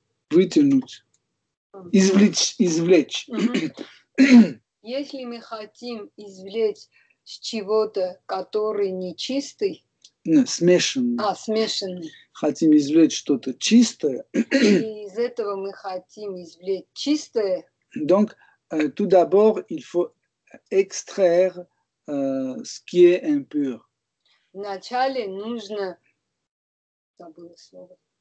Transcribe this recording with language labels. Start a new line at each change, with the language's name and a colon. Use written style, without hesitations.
Russian: вытянуть, извлечь. Если мы хотим извлечь с чего-то, который нечистый, смешанный, хотим извлечь что-то чистое, и из этого мы хотим извлечь чистое.
French: Donc, tout d'abord, il faut extraire ce qui est impur.
Russian: Вначале нужно, забыла слово,